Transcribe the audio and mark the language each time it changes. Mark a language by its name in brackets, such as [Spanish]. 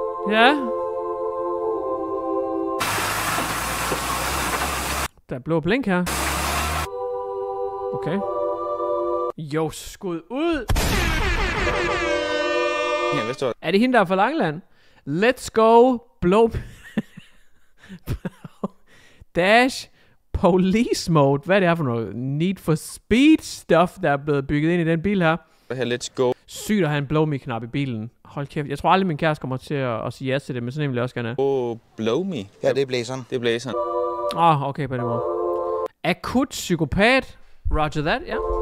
[Danish] Ja. Der er blå blink her. Okay. Jo, skud ud! Ja, hvis du... Er det hende, der er fra Langeland? [English] Let's go, blow dash police mode. [Danish] Hvad er det her for noget Need for Speed stuff, der er blevet bygget ind i den bil her? [English] Let's go. [Danish] Sygt at have en blow me knap i bilen. Hold kæft, jeg tror aldrig min kæreste kommer til at sige ja til det, men sådan en vil jeg også gerne. [English] Oh, blow me. [Danish] Ja, det er blæseren. Det er blæseren. Ah, okay, på den måde. Akut psykopat. [English] Roger that, [Danish] ja.